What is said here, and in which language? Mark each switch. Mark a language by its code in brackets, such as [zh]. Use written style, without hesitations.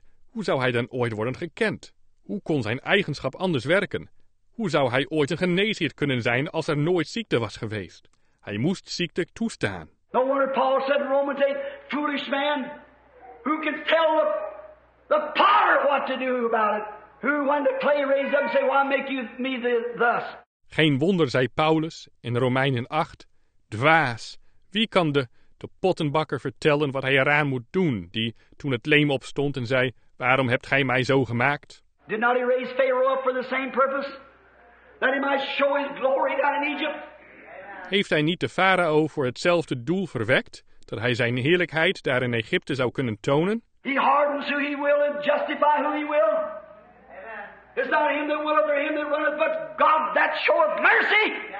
[nl] Hoe zou hij dan ooit worden gekend? Hoe kon zijn eigenschap anders werken? Hoe zou hij ooit een geneesheer kunnen zijn als er nooit ziekte was geweest? Hij moest ziekte toestaan. [en] No wonder Paul said in Romans 8, foolish man, who can tell the potter what to do about it? Who, when the clay raised up, say, why make you me thus? [nl] Geen wonder, zei Paulus in Romeinen 8, dwaas, wie kan de pottenbakker vertellen wat hij eraan moet doen, die toen het leem opstond en zei, waarom hebt gij mij zo gemaakt? [en] Did not he raise Pharaoh up for the same purpose? That he might show his glory down in Egypt? [nl] Heeft hij niet de farao voor hetzelfde doel verwekt, dat hij zijn heerlijkheid daar in Egypte zou kunnen tonen? [en] He hardens who he will and justify who he will. It's not him that willeth or him that runneth, but God that showeth mercy.